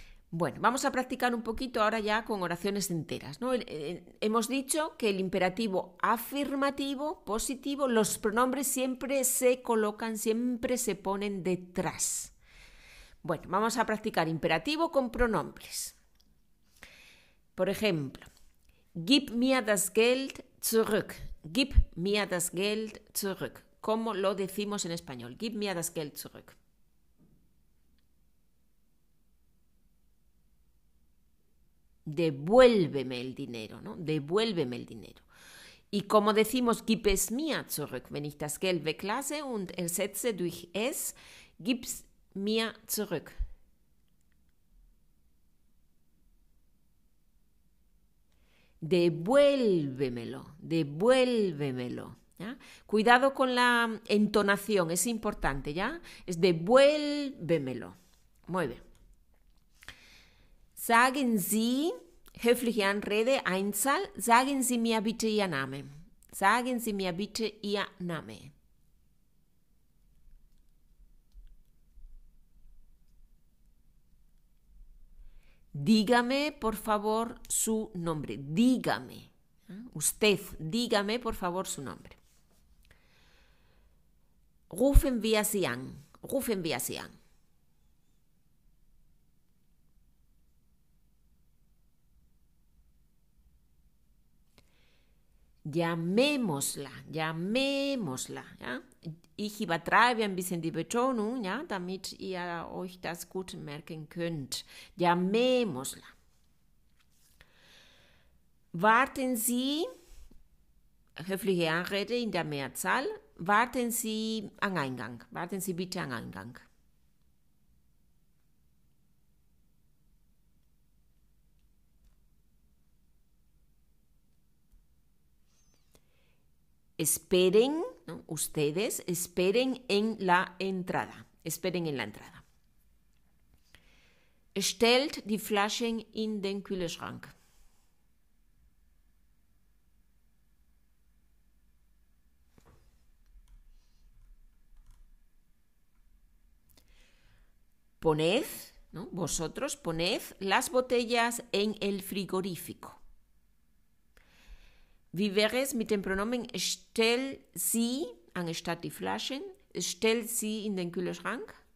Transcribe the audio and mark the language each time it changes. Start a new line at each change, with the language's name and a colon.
Spanish: Bueno, vamos a practicar un poquito ahora ya con oraciones enteras, ¿no? Hemos dicho que el imperativo afirmativo, positivo, los pronombres siempre se colocan, siempre se ponen detrás. Bueno, vamos a practicar imperativo con pronombres. Por ejemplo,
German: gib mir das Geld zurück. Gib mir das Geld zurück.
Spanish: ¿Cómo lo decimos en español?
German: Gib mir das Geld zurück.
Spanish: Devuélveme el dinero, ¿no? Devuélveme el dinero. Y como decimos,
German: gib es mir zurück, wenn ich das Geld weglasse und ersetze durch es, gib's mir zurück.
Spanish: Devuélvemelo, devuélvemelo. ¿Ya? Cuidado con la entonación, es importante, ¿ya? Es devuélvemelo. Muy bien.
German: Sagen Sie, höfliche Anrede, Einzahl, sagen Sie mir bitte Ihr Name. Sagen Sie mir bitte Ihr Name.
Spanish: Dígame, por favor, su nombre. Dígame. Usted, dígame, por favor, su nombre.
German: Rufen wir Sie an. Rufen wir Sie an.
Spanish: Llamémosla, llamémosla, ¿ya?
German: Ich übertreibe ein bisschen die Betonung, ja, damit ihr euch das gut merken könnt.
Spanish: Llamémosla.
German: Warten Sie, höfliche Anrede in der Mehrzahl, warten Sie am Eingang. Warten Sie bitte am Eingang.
Spanish: Esperen, ¿no? Ustedes esperen en la entrada. Esperen en la entrada.
German: Stellt die Flaschen in den Kühlschrank.
Spanish: Poned, ¿no? Vosotros poned las botellas en el frigorífico.
German: Wie wäre es mit dem Pronomen stell sie anstatt die Flaschen? Stell sie in den Kühlschrank?